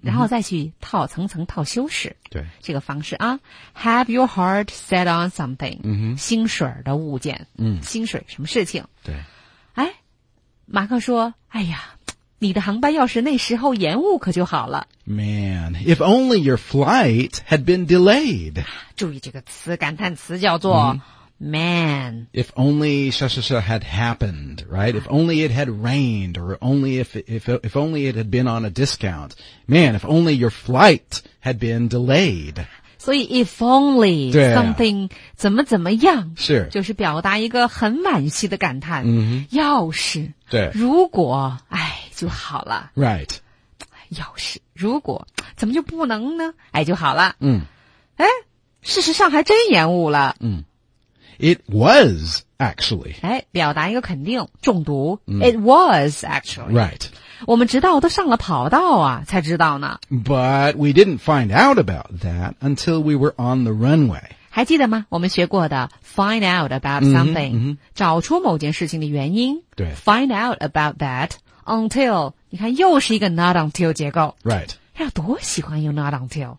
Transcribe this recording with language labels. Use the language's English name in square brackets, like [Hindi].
[Chinese] 然后再去套层层套修饰。对。这个方式啊。 [English] Have your heart set on something.、 Mm-hmm. [Chinese] 薪水的物件。嗯。薪水什么事情。对。马克说哎呀你的航班要是那时候延误可就好了。 [English] Man, if only your flight had been delayed. [Chinese] 注意这个词感叹词叫做、mm-hmm. man. [English] If only shashasha had happened, right? If only it had rained, or only if only it had been on a discount. Man, if only your flight had been delayed. [Chinese] 所以 [English] if only something [Chinese] 怎么怎么样是就是表达一个很惋惜的感叹、 mm-hmm. 要是对如果哎就好了 [English] right [Chinese] 要是如果怎么就不能呢哎就好了嗯哎事实上还真延误了 [English] 嗯 it was actually [Chinese] 哎表达一个肯定中毒、 mm. [English] it was actually right [Chinese] 我们直到都上了跑道啊才知道呢。 [English] But we didn't find out about that until we were on the runway. [Chinese] 还记得吗我们学过的 [English] find out about something, mm-hmm, mm-hmm. [Chinese] 找出某件事情的原因。对。 [English] find out about that until, [Chinese] 你看又是一个 [English] not until 结构。 Right. [Chinese] 要多喜欢用 [English] not until。